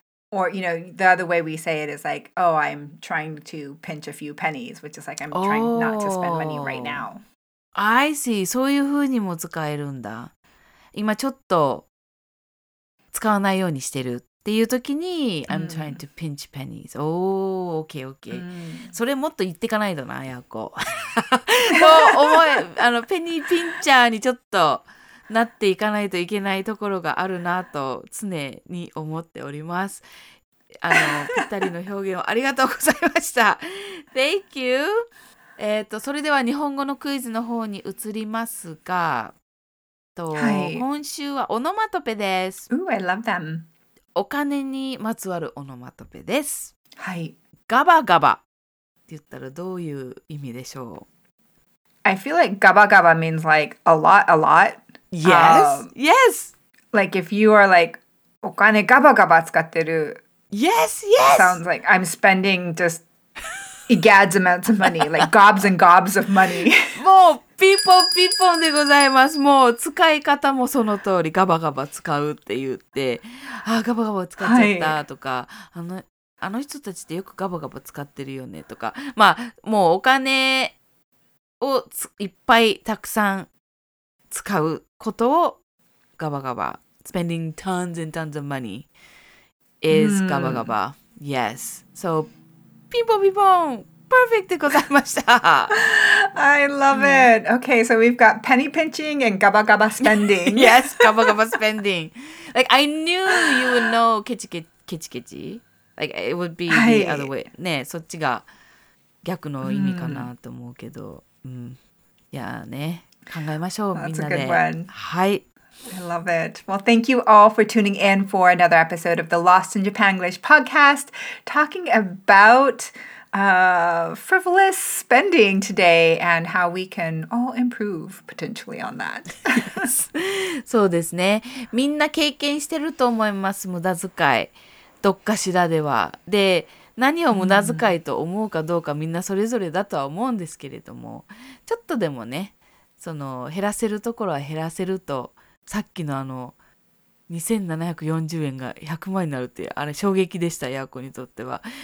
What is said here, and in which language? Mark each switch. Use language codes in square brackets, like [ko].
[en] Or, you know, the other way we say it is like, oh, I'm trying to pinch a few pennies, which is like I'm trying not to spend money right now. I see. [ja] そういう風にも使えるんだ。今ちょっと使わないようにしてるっていう時に、 [en] I'm trying to pinch pennies. [ja] おー、 [en] OK, OK. [ja] それもっと言ってかないとな、ヤコ。と思え、あの、ペニーピンチャーにちょっとなっていかないといけないところがあるなと常に思っております。あのぴったりの表現をありがとうございました。 [en] Thank you。 [ja] それでは日本語のクイズの方に移りますが、はい、今週はオノマトペです。 [en] Ooh, I love them。 [ja] お金にまつわるオノマトペです。はい、ガバガバって言ったらどういう意味でしょう。 [en] I feel like ガバガバ means like a lot, a lot. Yes,、yes. Like if you are like [ja] お金ガバガバ使ってる。 [en] Yes, yes. Sounds like I'm spending just gads amounts of money, like gobs and gobs of money. [ja] もうピッポンピッポンでございます。もう使い方もその通り、ガバガバ使うって言って、あ、ガバガバ使っちゃったとか、はい、あの人たちってよくガバガバ使ってるよねとか、まあもうお金をいっぱいたくさん使うことをガバガバ、 [en] spending tons and tons of money is [ja] ガバガバ。 [en] Yes, so [ja] ピンポンピンポン、perfect でございました。 [en] I love it. Okay, so we've got penny pinching and ガバガバ spending. Yes, ガバガバ spending. Like I knew you would know ケチケチケチケチ、Like, it would be the other way.、 [ja] はい、ね、そっちが逆の意味かなと思うけど。うん、いやね、考えましょう、みんなで。はい。 [en] I love it. Well, thank you all for tuning in for another episode of the Lost in Japan English podcast, talking about、frivolous spending today and how we can all improve potentially on that. Yes. [ja] そうですね。みんな経験してると思います、無駄遣い。どっかしらでは。で、何を無駄遣いと思うかどうか、みんなそれぞれだとは思うんですけれども、ちょっとでもね、その減らせるところは減らせると、さっきのあの2740円が100万になるって、あれ衝撃でした、ヤーコにとっては。